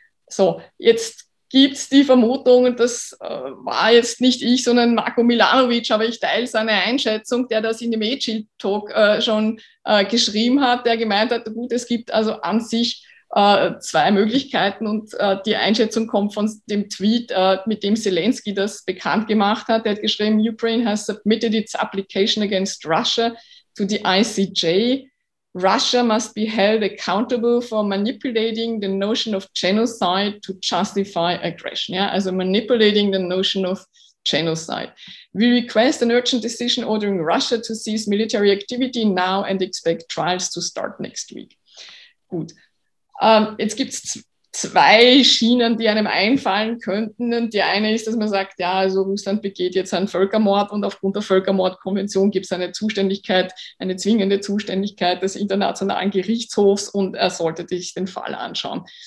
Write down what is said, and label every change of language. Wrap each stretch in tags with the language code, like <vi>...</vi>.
<de>So, jetzt gibt es die Vermutung, und das war jetzt nicht ich, sondern Marko Milanovic, aber ich teile seine Einschätzung, der das in dem AG-Talk schon geschrieben hat, der gemeint hat, gut, es gibt also an sich zwei Möglichkeiten, und die Einschätzung kommt von dem Tweet, mit dem Zelensky das bekannt gemacht hat. Er hat geschrieben,</de> <en>Ukraine has submitted its application against Russia to the ICJ. Russia must be held accountable for manipulating the notion of genocide to justify aggression.</en> <de>Ja, also</de> <en>manipulating the notion of genocide. We request an urgent decision ordering Russia to cease military activity now and expect trials to start next week.</en> <de>Gut. Jetzt gibt es zwei Schienen, die einem einfallen könnten. Und die eine ist, dass man sagt, ja, also Russland begeht jetzt einen Völkermord, und aufgrund der Völkermordkonvention gibt es eine Zuständigkeit, eine zwingende Zuständigkeit des Internationalen Gerichtshofs, und er sollte sich den Fall anschauen.</de>